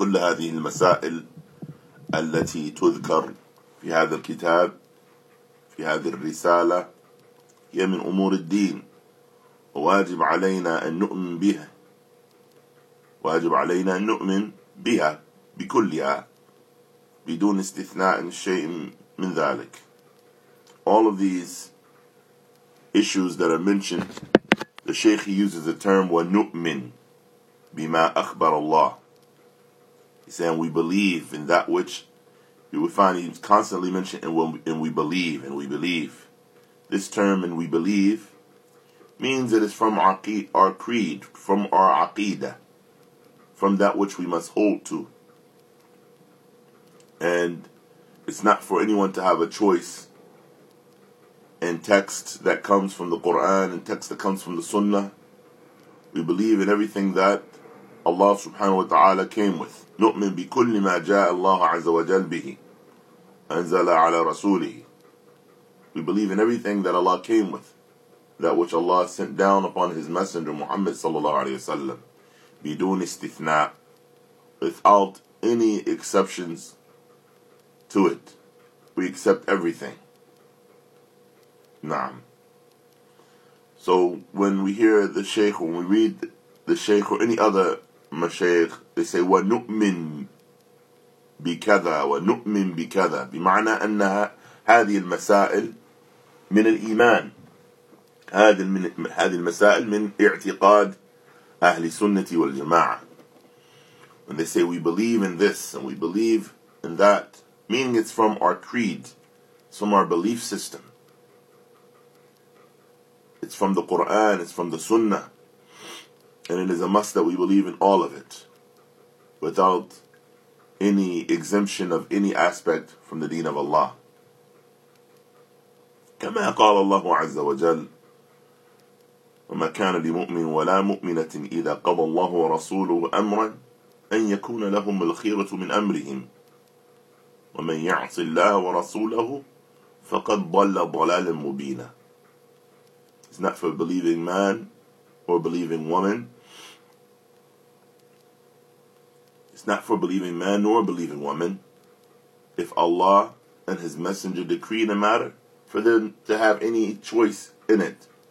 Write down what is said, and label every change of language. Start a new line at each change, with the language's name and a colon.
Arabic: كل هذه المسائل التي تذكر في هذا الكتاب، في هذه الرسالة، هي من أمور الدين، وواجب علينا أن نؤمن بها، واجب علينا أن نؤمن بها بكلها بدون استثناء شيء من ذلك.
English: All of these issues that are mentioned, the Shaykh, he uses the term
Arabic: وَنُؤْمِن بِمَا أَخْبَرَ اللَّهِ.
English: He's saying we believe in that which you will find he's constantly mentioned, and we believe. This term, and we believe, means it is from our creed, from our aqeedah, from that which we must hold to. And it's not for anyone to have a choice in text that comes from the Qur'an and text that comes from the Sunnah. We believe in everything that Allah subhanahu wa ta'ala came with.
Arabic: نؤمن بكل ما جاء الله عز وجل به أنزل على رسوله.
English: We believe in everything that Allah came with, that which Allah sent down upon His Messenger Muhammad sallallahu alayhi wa sallam.
Arabic: بدون استثناء,
English: without any exceptions to it. We accept everything. Naam. So when we hear the Shaykh, when we read the Shaykh or any other Mashaykh, they say
Arabic: وَنُؤْمِن بِكَذَا وَنُؤْمِن بِكَذَا، بمعنى أن هذه المسائل من الإيمان، هذه المسائل من اعتقاد أهل السنة والجماعة.
English: When they say we believe in this and we believe in that, meaning it's from our creed, it's from our belief system. It's from the Qur'an, it's from the Sunnah. And it is a must that we believe in all of it, without any exemption of any aspect from the deen of Allah.
Arabic: كما قال الله عز وجل وما كان لمؤمن ولا مؤمنة إذا قضى الله ورسوله أمرا أن يكون لهم الخيرة من أمرهم. ومن يعص الله ورسوله فقد ضل ضلالا مبينا.
English: It's not for believing man or believing woman. It's not for believing man nor believing woman. If Allah and His Messenger decree the matter, for them to have any choice in it.